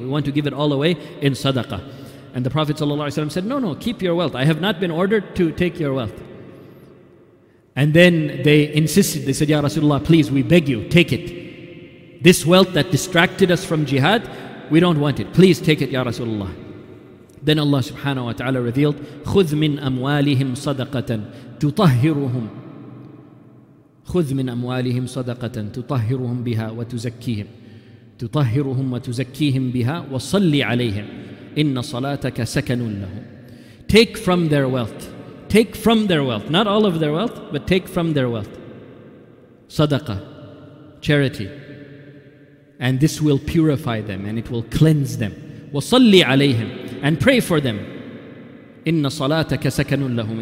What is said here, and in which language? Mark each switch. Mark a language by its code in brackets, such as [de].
[en] We want to give it all away in sadaqah. And the Prophet ﷺ said, no, keep your wealth. I have not been ordered to take your wealth. And then they insisted. They said, Ya Rasulullah, please, we beg you, take it. This wealth that distracted us from jihad, we don't want it. Please take it, Ya Rasulullah. [ar] Then Allah subhanahu wa ta'ala revealed, خُذْ مِنْ أَمْوَالِهِمْ صَدَقَةً تُطَهِّرُهُمْ خُذْ مِنْ أَمْوَالِهِمْ صَدَقَةً تُطَهِّرُهُمْ بِهَا وَتُزَكِّيهِمْ تُطَهِّرُهُمْ وَتُزَكِّيهِمْ بِهَا وَصَلِّ عَلَيْهِمْ إِنَّ صَلَاتَكَ سَكَنٌ لَهُمْ. [en] Take from their wealth. Take from their wealth. Not all of their wealth, but take from their wealth. Sadaqah, charity. And this will purify them and it will cleanse them. [ar] وَصَلِّ عَلَيْهِمْ. [en] And pray for them. [ar] إِنَّ صَلَاتَكَ سَكَنٌ لَهُمْ.